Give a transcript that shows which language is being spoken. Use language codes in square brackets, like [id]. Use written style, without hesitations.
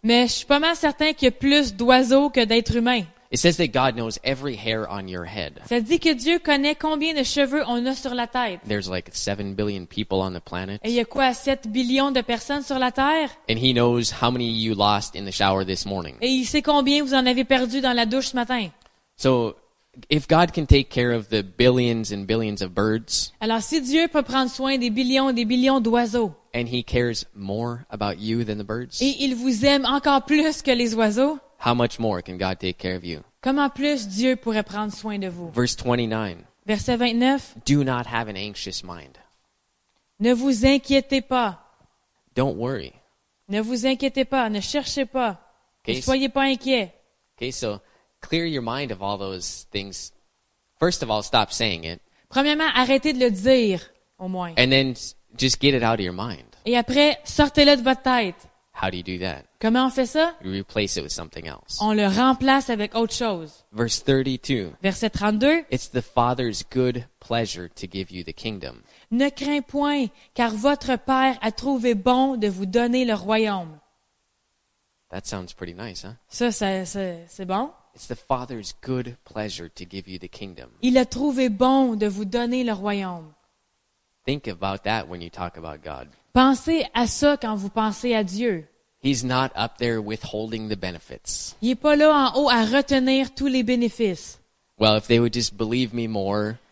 [fr] Mais je suis pas mal certain qu'il y a plus d'oiseaux que d'êtres humains. [en] It says that God knows every hair on your head. [fr] Ça dit que Dieu connaît combien de cheveux on a sur la tête. [en] There's like 7 billion people on the planet. [fr] Et il y a quoi, 7 billions de personnes sur la terre? [en] And He knows how many you lost in the shower this morning. [fr] Et il sait combien vous en avez perdu dans la douche ce matin. [en] So, if God can take care of the billions and billions of birds. [fr] Alors si Dieu peut prendre soin des billions d'oiseaux. [en] And he cares more about you than the birds? [fr] Et il vous aime encore plus que les oiseaux? [en] How much more can God take care of you? [fr] Comment plus Dieu pourrait prendre soin de vous? [en] Verse 29. [fr] Verset 29. [en] Do not have an anxious mind. [fr] Ne vous inquiétez pas. [en] Don't worry. [fr] Ne vous inquiétez pas, ne cherchez pas. Okay, ne soyez pas inquiets. [en] Okay, so clear your mind of all those things. First of all, stop saying it. [fr] Premièrement, arrêtez de le dire au moins. [en] And then just get it out of your mind. [fr] Et après, sortez-le de votre tête. [en] How do you do that? [fr] Comment on fait ça? [en] You replace it with something else. [fr] On le remplace avec autre chose. [en] Verse 32. [fr] Verset 32. [en] It's the Father's good pleasure to give you the kingdom. [fr] Ne crains point, car votre Père a trouvé bon de vous donner le royaume. [en] That sounds pretty nice, huh? [fr] Ça, c'est bon. [en] It's the Father's good pleasure to give you the kingdom. [fr] Il a trouvé bon de vous donner le royaume. [en] Think about that when you talk about God. [fr] Pensez à ça quand vous pensez à Dieu. [en] He's not up there withholding the benefits. [fr] Il est pas là en haut à retenir tous les bénéfices. [en] Well, if they would just believe me more.